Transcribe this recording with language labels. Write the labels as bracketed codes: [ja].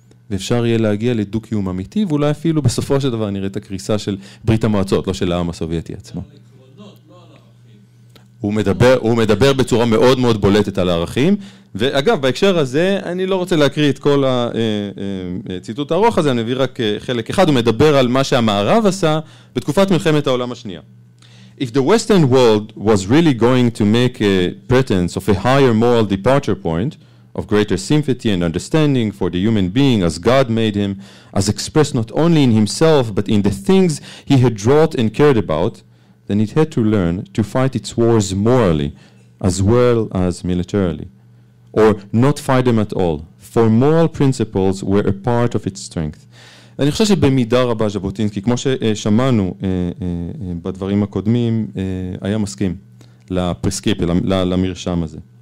[he] ואפשר יהיה להגיע לדו-קיום אמיתי, ואולי אפילו בסופו של דבר נראה את הקריסה של ברית המועצות, לא של העם הסובייטי עצמו. הוא מדבר בצורה מאוד מאוד בולטת על הערכים, ואגב, בהקשר הזה, אני לא רוצה להקריא את כל הציטוט הארוך הזה, אני אביא רק חלק אחד, הוא מדבר על מה שהמערב עשה בתקופת מלחמת העולם השנייה. [en] If the Western world was really going to make a pretense of a higher moral departure point, of greater sympathy and understanding for the human being as God made him, as expressed not only in himself, but in the things he had wrought and cared about, then it had to learn to fight its wars morally as well as militarily, or not fight them at all, for moral principles were a part of its strength. [he] אני חושב שבמידה רבה ז'בוטינסקי, כמו ששמענו בדברים הקודמים, היה מסכים לפרסקיפ, למרשם הזה.